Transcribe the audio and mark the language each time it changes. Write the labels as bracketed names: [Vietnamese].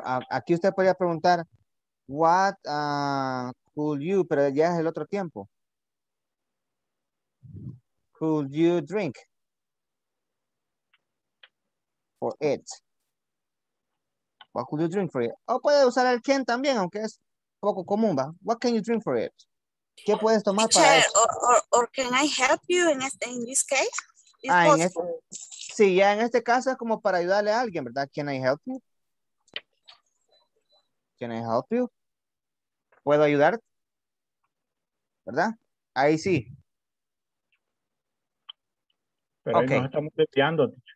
[Spanish] Aquí usted podría preguntar [English] what could you, [Spanish] pero ya es el otro tiempo. [English] Could you drink? For it. What could you drink for it? [Spanish] O puede usar el can también, aunque es poco común, ¿va? [English] What can you drink for it? [Spanish] ¿Qué puedes tomar para eso? [English] Or can I help you in this case? [Spanish] Ah, en este, Sí, ya en este caso es como para ayudarle a alguien, ¿verdad? [English] Can I help you? Can I help you? [Spanish] ¿Puedo ayudar? ¿Verdad? Ahí sí. Pero okay. Ahí nos estamos desviando.